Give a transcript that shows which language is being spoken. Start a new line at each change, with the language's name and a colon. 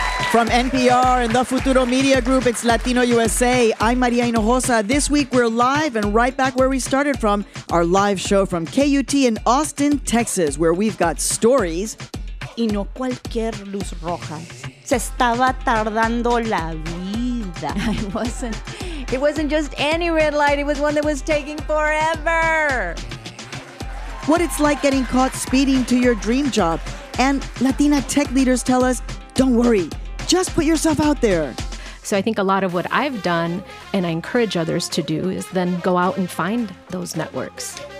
English: From NPR and the Futuro Media Group, it's Latino USA. I'm Maria Hinojosa. This week, we're live and right back where we started from, our live show from KUT in Austin, Texas, where we've got stories.
Spanish: Y no cualquier luz roja. Se estaba tardando la vida.
English: It wasn't just any red light. It was one that was taking forever. What it's like getting caught speeding to your dream job. And Latina tech leaders tell us, don't worry. Just put yourself out there. So I think a lot of what I've done, and I encourage others to do, is then go out and find those networks.